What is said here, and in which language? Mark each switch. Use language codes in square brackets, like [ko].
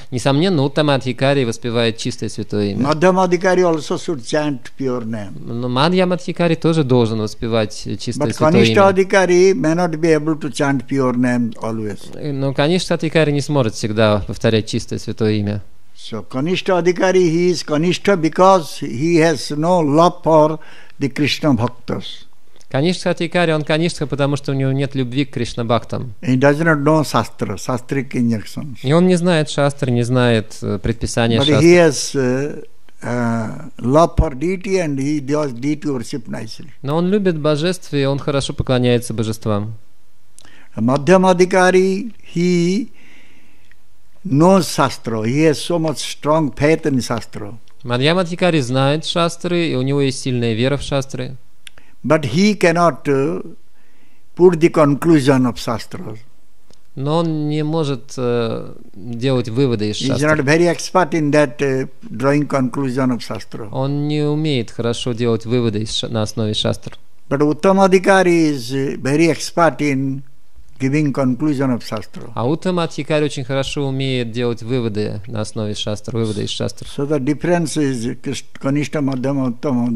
[ru] Несомненно, уттама адхикари воспевает чистое святое имя. [en] Мадьям адхикари also should chant pure name. [ru] Но мадьям адхикари тоже должен воспевать чистое [en] But [ru] святое имя. [en] But kanishtha adhikari may not be able to chant pure name always. [ru] Но kanishtha адхикари не сможет всегда повторять чистое святое имя. [en] So kanishtha adhikari he is kanishtha because he has no love for the Krishna bhaktas. [ru] Каништха Атикари, он каништха, потому что у него нет любви к Кришна-бхактам. [en] He doesn't know sastra, sastric injunctions. [ru] И он не знает шастры, не знает предписания [en] шастры. But he has love for deity and he does deity worship nicely. [ru] Но он любит божеств и он хорошо поклоняется божествам. [en] Мадхьяма Атикари, he knows sastra, he has so much strong faith in sastra. [ru] Мадхьяма Атикари знает шастры и у него есть сильная вера в шастры. [en] But he cannot put the conclusion of shastra. [ru] Но он не может делать выводы из шастры. [en] He is not very expert in that drawing conclusion of shastra. [ru] Он не умеет хорошо делать выводы на основе шастр. [en] But Uttama Adhikari is very expert in giving conclusion of shastra. [ru] А Uttama Adhikari очень хорошо умеет делать выводы на основе шастр, выводы из шастр. [en] So the difference is kanishtha, madhyama, uttama.